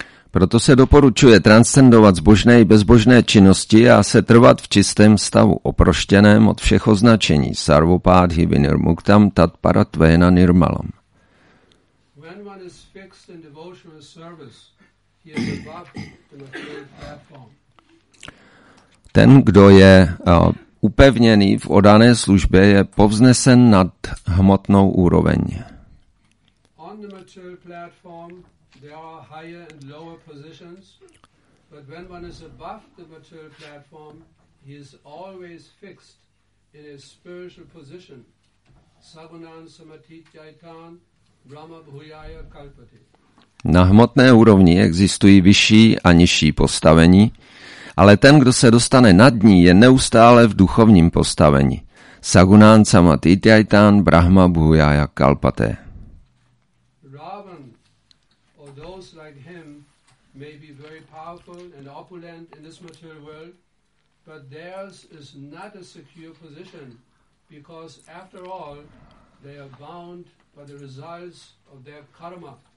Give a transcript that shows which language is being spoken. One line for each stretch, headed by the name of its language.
Czech: Proto se doporučuje transcendovat zbožné i bezbožné činnosti a se trvat v čistém stavu, oproštěném od všech označení.
Sanskrit: Sarva Padi Vinaya Muktam Tat Parat Vena Nirmalam.
English: When one is fixed in devotional service, he is above the material platform.
Czech: Ten, kdo je upevněný v oddané službě, je povznesen nad hmotnou úroveň.
English: On the material platform there are higher and lower positions, but when one is above the material platform, he is always fixed in a spiritual position.
Sanskrit: Sagunan samatityaitan brahma bhuyaya kalpate.
Czech: Na hmotné úrovni existují vyšší a nižší postavení, ale ten, kdo se dostane nad ní, je neustále v duchovním postavení.
Sanskrit: Sagunan samatityaitan brahma bhuyaya kalpate.
English: Ravan or those like him may be very powerful and opulent in this material world, but theirs is not a secure position, because after all, they are bound by the results of their karma.